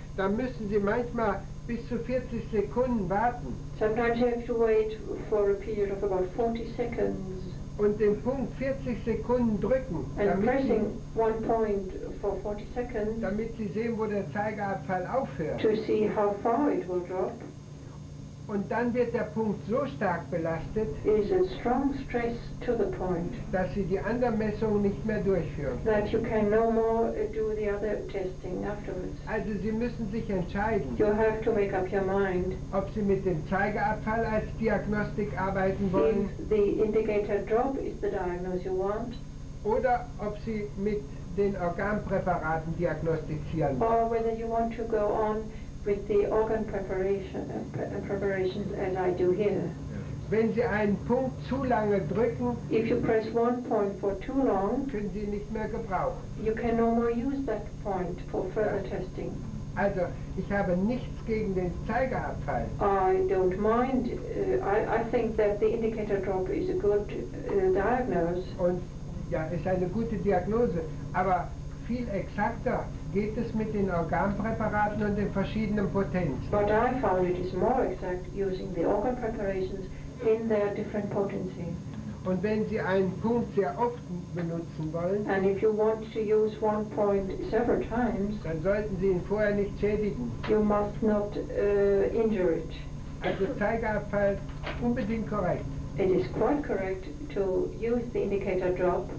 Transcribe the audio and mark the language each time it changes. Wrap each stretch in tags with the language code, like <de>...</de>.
<de>dann müssen Sie manchmal bis zu 40 Sekunden warten.</de> <en>Sometimes you have to wait for a period of about 40 seconds.</en> <de>Und den Punkt 40 Sekunden drücken.</de> <en>And pressing one point for 40 seconds.</en> <de>Damit Sie sehen, wo der Zeigerabfall aufhört.</de> <en>To see how far it will drop.</en> <de>Und dann wird der Punkt so stark belastet.</de> <en>Is a strong stress to the point.</en> <de>Dass Sie die anderen Messungen nicht mehr durchführen.</de> <en>That you can no more do the other testing afterwards.</en> <de>Also Sie müssen sich entscheiden.</de> <en>You have to make up your mind.</en> <de>Ob Sie mit dem Zeigerabfall als Diagnostik arbeiten wollen.</de> <en>If the indicator drop is the diagnosis you want.</en> <de>Oder ob Sie mit den Organpräparaten diagnostizieren wollen.</de> <en>Or whether you want to go on with the organ preparations as I do here.</en> <de>Wenn Sie einen Punkt zu lange drücken,</de> <en>if you press one point for too long,</en> <de>können Sie nicht mehr gebrauchen.</de> <en>You can no more use that point for further testing.</en> <de>Also, ich habe nichts gegen den Zeigerabfall.</de> <en>I don't mind. I think that the indicator drop is a good diagnose.</en> <de>Und ja, ist eine gute Diagnose. Aber viel exakter geht es mit den Organpräparaten und den verschiedenen Potenzen.</de> <en>But I found it is more exact using the organ preparations in their different potency.</en> <de>Und wenn Sie einen Punkt sehr oft benutzen wollen,</de> <en>and if you want to use one point several times,</en> <de>dann sollten Sie ihn vorher nicht schädigen.</de> <en>You must not injure it.</en> <de>Also Zeigerabfall unbedingt korrekt.</de> <en>It is quite correct to use the indicator drop.</en>